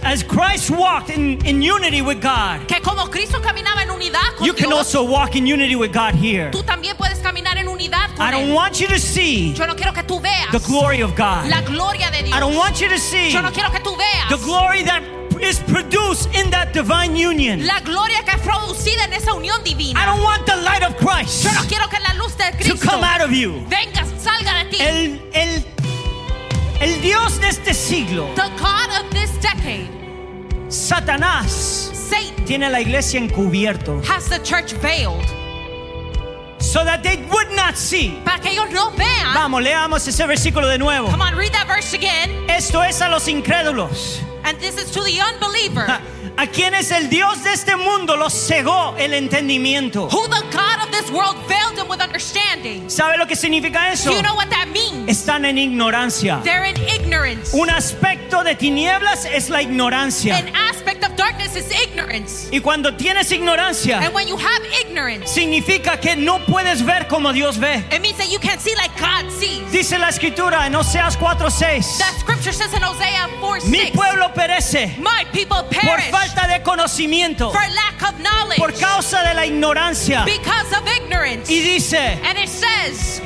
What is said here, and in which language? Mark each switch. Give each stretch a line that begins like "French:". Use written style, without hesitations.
English: That as Christ walked in unity with God.
Spanish: Que como Cristo caminaba en unidad con
English: you can
Spanish: Dios,
English: also walk in unity with God here.
Spanish: Tú también puedes caminar en unidad con
English: I don't
Spanish: él.
English: Want you to see.
Spanish: Yo no quiero que tú veas.
English: The glory of God.
Spanish: La gloria de Dios.
English: I don't want you to see.
Spanish: Yo no quiero que tú veas.
English: The glory that is produced in that divine union.
Spanish: La gloria que es producida en esa unión divina.
English: I don't want the light of Christ.
Spanish: Yo no quiero que la luz de Cristo
English: to come out of you.
Spanish: Venga, salga de ti. El Dios de este siglo.
English: The God of this decade.
Spanish: Satanás,
English: Satan,
Spanish: tiene la iglesia encubierto.
English: Has the church veiled. So that they would not see.
Spanish: Para que ellos no vean. Vamos, leamos ese versículo de nuevo.
English: Come on, read that verse again.
Spanish: Esto es a los incrédulos.
English: And this is to the unbeliever.
Spanish: A quienes el Dios de este mundo los cegó el entendimiento.
English: Who the God of this world veiled them with understanding.
Spanish: ¿Sabe lo que significa eso?
English: You know what that means.
Spanish: Están en ignorancia.
English: They're in ignorance.
Spanish: Un aspecto de tinieblas es la ignorancia.
English: An aspect of darkness is ignorance.
Spanish: Y cuando tienes ignorancia,
English: and when you have ignorance,
Spanish: significa que no puedes ver como Dios ve.
English: It means that you can't see like God sees.
Spanish: Dice la escritura en Oseas 4:6.
English: The scripture says in Hosea 4:6.
Spanish: Mi pueblo perece.
English: My people perish.
Spanish: Falta de conocimiento.
English: For lack of knowledge.
Spanish: Por causa de la ignorancia.
English: Because of ignorance.
Spanish: Y dice,
English: and it says.